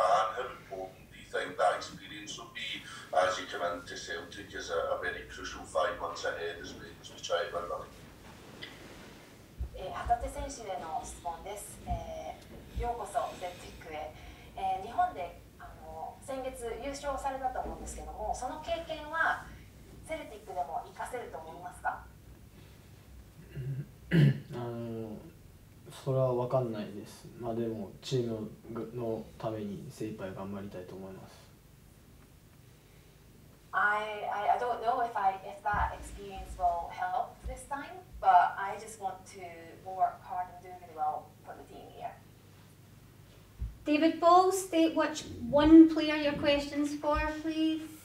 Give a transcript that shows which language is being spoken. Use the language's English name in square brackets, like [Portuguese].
[English] How important do you think that experience will be as you come into Celtic as a very crucial 5 months ahead as we try to win another game? [Japanese] 旗手選手への質問です。ようこそセルティックへ。日本であの先月優勝されたと思うんですけども、その経験はセルティックでも活かせると思いますか？それは分かんないです。まあ、でもチームのために精一杯頑張りたいと思います。 [English] I don't know if that experience will help this time. But I just want to work hard and do really well for the team here. David Ball, state which one player your question's for, please.